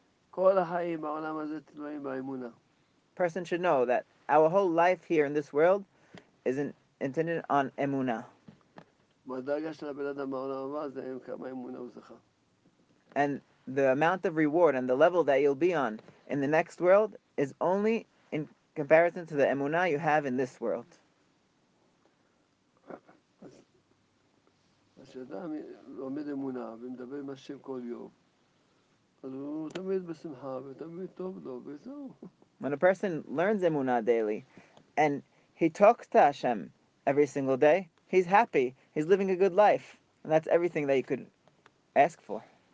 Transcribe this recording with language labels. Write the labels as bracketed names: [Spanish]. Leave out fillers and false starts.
[Hebrew] כל החיים בעולם הזה תלויים באמונה. [English] Person should know that our whole life here in this world is intended on אמונה. [Hebrew] מהדרגה של הבן אדם בעולם הבא זה כמה אמונה הוא זכה. [English] And the amount of reward and the level that you'll be on in the next world is only in comparison to the אמונה you have in this world. [Hebrew] כשאדם לומד אמונה ומדבר עם השם כל יום, אז הוא תמיד בשמחה ותמיד טוב לו, וזהו. [English] When a person learns אמונה daily, and he talks to Hashem every single day, he's happy, he's living a good life, and that's everything that you could ask for.